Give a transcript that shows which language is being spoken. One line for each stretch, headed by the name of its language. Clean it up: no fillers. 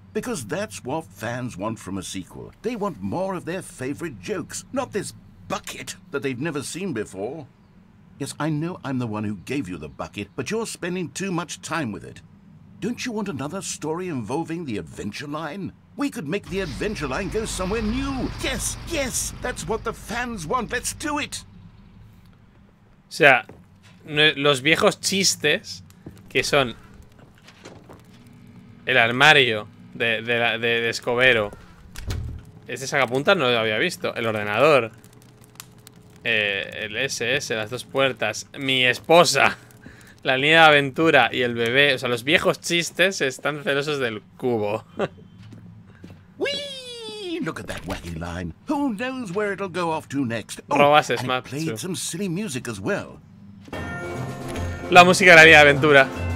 English: Because that's what fans want from a sequel. They want more of their favorite jokes, not this bucket that they've never seen before. Yes, I know I'm the one who gave you the bucket, but you're spending too much time with it. Don't you want another story involving the Adventure Line? We could make the Adventure Line go somewhere new. Yes, yes, that's what the fans want. Let's do it.
Spanish: O sea, los viejos chistes que son el armario de Escobero. Este sacapuntas no lo había visto. El ordenador. El SS, las dos puertas, mi esposa, la línea de aventura y el bebé. O sea, los viejos chistes están celosos del cubo.
English: Wee! Look at that wacky line. Who knows where it'll go off to next? Oh, and it played some silly music as well.
Spanish: La música de la línea de aventura.